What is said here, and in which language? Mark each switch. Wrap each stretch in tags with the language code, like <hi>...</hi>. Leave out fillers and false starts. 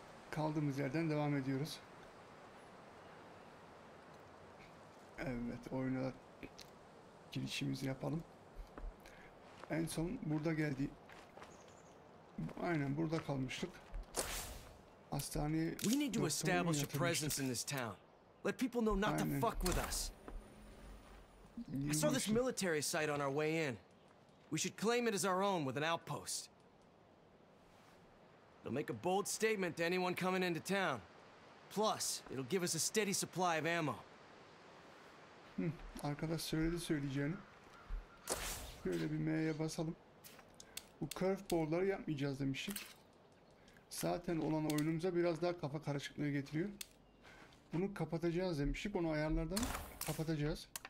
<tr>Kaldığımız yerden devam ediyoruz. Evet, oyuna girişimizi yapalım. En son burada geldi. Aynen burada kalmıştık. Hastaneye</tr> <en>We need to establish a presence in this town. Let people know not to</en> <tr>Aynen.</tr> <en>fuck with us.</en> <tr>Niye</tr> <en>I saw this military site on our way in. We should claim it as our own with an outpost. It'll make a bold statement to anyone coming into town. Plus, it'll give us a steady supply of ammo.</en> <tr>Arkadaş söyledi söyleyeceğini. Şöyle bir M'ye basalım. Bu curveball'ları yapmayacağız demiştik. Zaten olan oyunumuza biraz daha kafa karışıklığı getiriyor. Bunu kapatacağız demiştik. Onu ayarlardan kapatacağız.</tr>